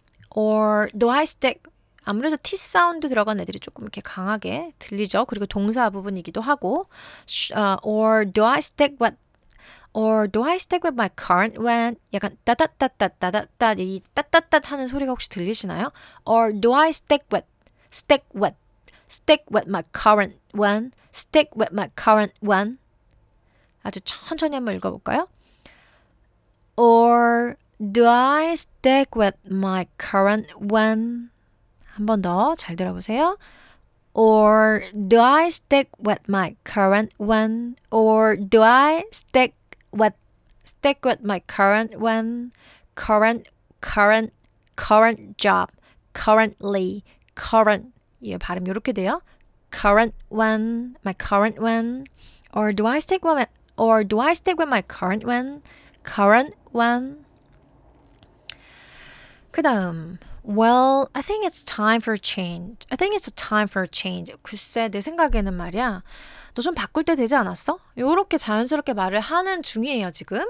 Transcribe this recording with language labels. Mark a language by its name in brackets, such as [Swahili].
[English] Or do I stick? [Korean] 아무래도 T 사운드 들어간 애들이 조금 이렇게 강하게 들리죠. 그리고 동사 부분이기도 하고 [English] Or do I stick with my current one? [Korean] 약간 따따따따따따 이 따따따 하는 소리가 혹시 들리시나요? [English] Or do I stick with my current one? [Korean] 아주 천천히 한번 읽어볼까요? [English] Or do I stick with my current one? [Korean] 한 번 더 잘 들어보세요. [English] Or do I stick with my current one? Or do I stick with my current one? Current job. Currently. Current. [Korean] 예, 발음 이렇게 돼요. [English] Current one. My current one. Or do I stick with my current one? Current one. [Korean] 그다음. Well, I think it's time for a change. Kusse, 내 생각에는 말이야. 너 좀 바꿀 때 되지 않았어? 요렇게 자연스럽게 말을 하는 중이에요, 지금.